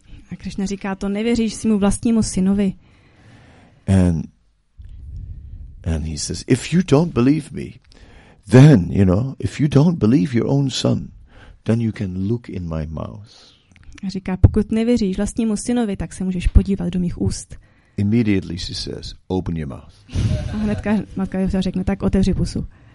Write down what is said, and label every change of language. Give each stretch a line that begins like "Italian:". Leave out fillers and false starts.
Czech: A Krishna říká, to nevěříš svému vlastnímu synovi.
English: And he says, if you don't believe me, then, you know, if you don't believe your own son, then you can look in my mouth.
Czech: A říká, pokud nevěříš vlastnímu synovi, tak se můžeš podívat do mých úst.
English: Immediately she says, open your mouth.
Czech: A hnedka matka Yasoda řekne, tak otevři pusu.